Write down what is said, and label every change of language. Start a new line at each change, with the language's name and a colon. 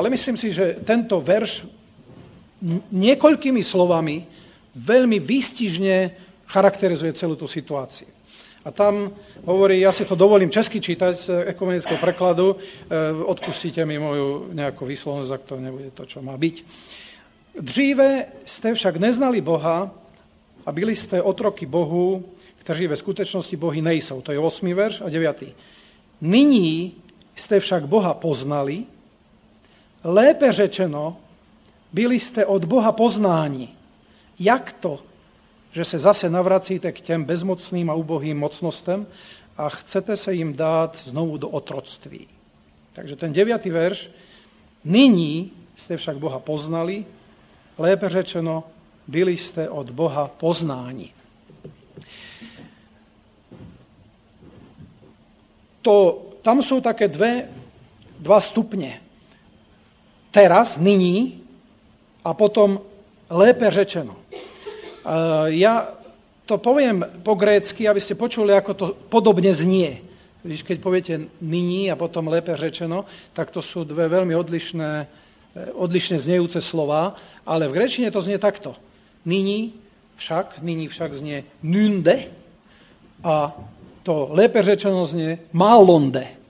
Slovak: Ale myslím si, že tento verš niekoľkými slovami veľmi výstižne charakterizuje celú tú situáciu. A tam hovorí, ja si to dovolím česky čítať z ekumenického prekladu, odpustite mi moju nejakú výslovnosť, ak to nebude to, čo má byť.
Czech: Dříve ste však neznali Boha a byli ste otroky Bohu, kteří ve skutečnosti Bohy nejsou. To je 8. verš a 9. Nyní ste však Boha poznali, lépe řečeno, byli ste od Boha poznáni. Jak to, že se zase navracíte k těm bezmocným a ubohým mocnostem a chcete se jim dát znovu do otroctví. Takže ten 9. verš, nyní jste však Boha poznali, lépe řečeno, byli jste od Boha poznáni. To, tam jsou také dva stupně.
Slovak: Teraz,
Czech: nyní
Slovak: a potom
Czech: lépe řečeno.
Slovak: Ja to poviem po grécky, aby ste počuli, ako to podobne znie. Keď poviete
Czech: nyní
Slovak: a potom
Czech: lépe řečeno,
Slovak: tak to sú dve veľmi odlišne znejúce slova, ale v gréčine to znie takto.
Czech: Nyní
Slovak: však znie nünde a to
Czech: lépe řečeno
Slovak: znie malonde.